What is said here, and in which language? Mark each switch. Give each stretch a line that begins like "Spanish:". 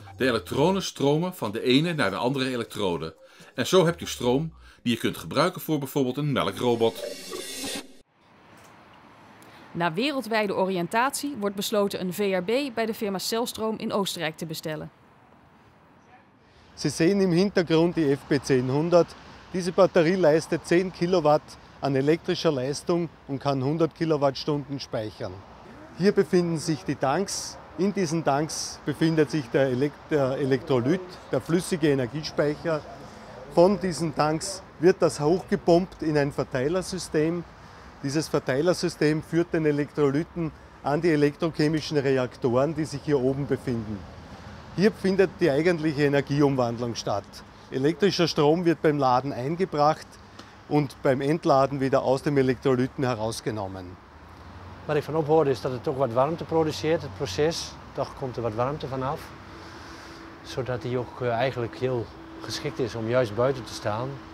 Dutch: De elektronen stromen van de ene naar de andere elektrode. En zo heb je stroom die je kunt gebruiken voor bijvoorbeeld een melkrobot. Na wereldwijde oriëntatie wordt besloten een VRB bij de firma Celstroom in Oostenrijk te bestellen.
German: Ze zien im Hintergrund die FP1000. Diese Batterie leistet 10 kW an elektrischer Leistung und kann 100 Kilowattstunden speichern. Hier befinden sich die Tanks. In diesen Tanks befindet sich der Elektrolyt, der flüssige Energiespeicher. Von diesen Tanks wird das hochgepumpt in ein Verteilersystem. Dieses Verteilersystem führt den Elektrolyten an die elektrochemischen Reaktoren, die sich hier oben befinden. Hier findet die eigentliche Energieumwandlung statt. Elektrischer Strom wird beim Laden eingebracht und beim Entladen wieder aus dem Elektrolyten herausgenommen.
Dutch: Wat ik van op hoorde is dat het ook wat warmte produceert, het proces. Toch komt er wat warmte vanaf. Zodat die ook eigenlijk heel geschikt is om juist buiten te staan.